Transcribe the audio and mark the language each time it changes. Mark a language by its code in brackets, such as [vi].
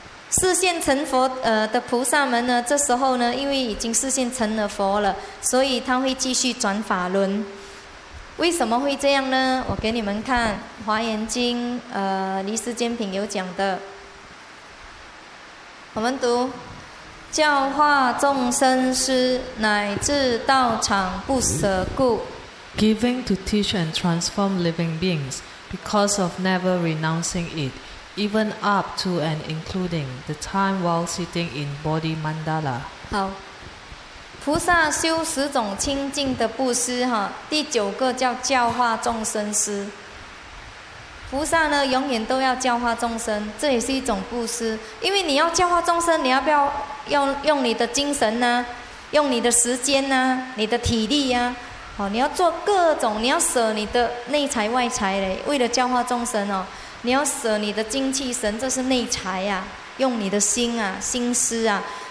[zh] 示现成佛的菩萨们呢，这时候呢，因为已经示现成了佛了，所以他会继续转法轮。为什么会这样呢？我给你们看《华严经》离世间品有讲的。我们读：教化众生师，乃至道场不舍故。 [en] Giving to teach and transform living beings, because of never renouncing it, even up to and including the time while sitting in body mandala. [zh] 好。菩萨修十种清净的布施，第九个叫教化众生施。菩萨呢，永远都要教化众生，这也是一种布施。因为你要教化众生，你要不要用你的精神呢、用你的时间呢、你的体力呀、你要做各种，你要舍你的内财外财嘞，为了教化众生哦，你要舍你的精气神，这是内财呀、用你的心啊，心思啊。